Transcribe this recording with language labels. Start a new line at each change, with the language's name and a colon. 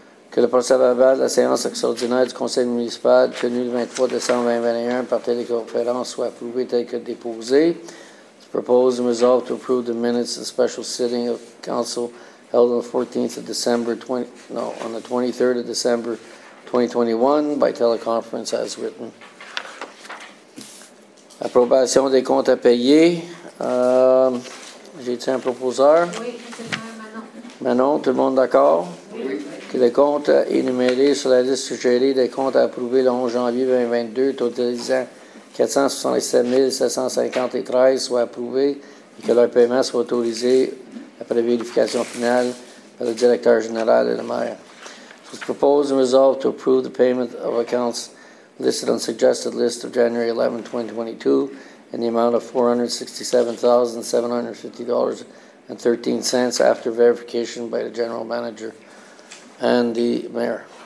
French: Que le procès-verbal de la séance extraordinaire du conseil municipal tenu le 23 décembre 2021 par téléconférence soit approuvé tel que déposé.
English: It's proposed and resolved to approve the minutes of the special sitting of council held on the 23rd of December 2021 by teleconference as written.
French: Approbation des comptes à payer. J'ai-tu un proposeur? Oui. Manon, tout le monde d'accord? Oui. Que le compte énuméré sur la liste suggérée des comptes approuvés le 11 janvier 2022, totalisant 467 753, soit approuvé et que leur paiement soit autorisé après vérification finale par le directeur général et le maire.
English: So it's proposed and resolved to approve the payment of accounts listed on suggested list of January 11, 2022 in the amount of $467,750.13 after verification by the general manager and the mayor.